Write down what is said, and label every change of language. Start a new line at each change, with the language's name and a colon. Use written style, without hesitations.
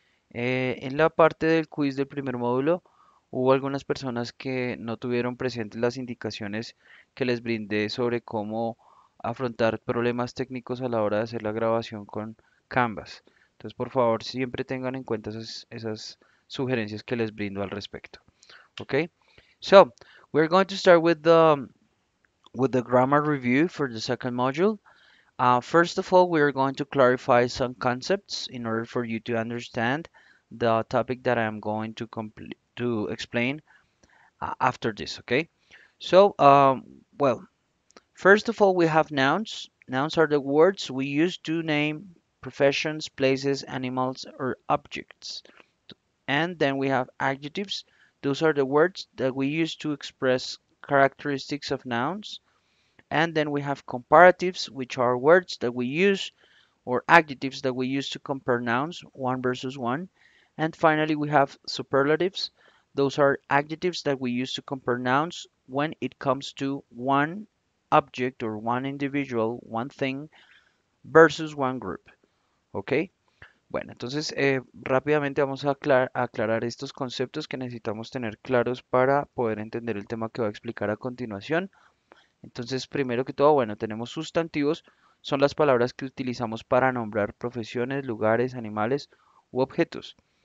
Spanish: En la parte del quiz del primer módulo, hubo algunas personas que no tuvieron presentes las indicaciones que les brindé sobre cómo afrontar problemas técnicos a la hora de hacer la grabación con Canvas. Entonces, por favor, siempre tengan en cuenta esas sugerencias que les brindo al respecto.
English: Ok. So, we're going to start with the grammar review for the second module. First of all, we are going to clarify some concepts in order for you to understand the topic that I am going to explain after this, okay? So, well, first of all, we have nouns. Nouns are the words we use to name professions, places, animals, or objects. And then we have adjectives. Those are the words that we use to express characteristics of nouns. And then we have comparatives, which are words that we use, or adjectives that we use to compare nouns, one versus one. And finally, we have superlatives. Those are adjectives that we use to compare nouns when it comes to one object or one individual, one thing, versus one group. Okay?
Spanish: Bueno, entonces rápidamente vamos a aclarar estos conceptos que necesitamos tener claros para poder entender el tema que voy a explicar a continuación. Entonces, primero que todo, bueno, tenemos sustantivos, son las palabras que utilizamos para nombrar profesiones, lugares, animales u objetos.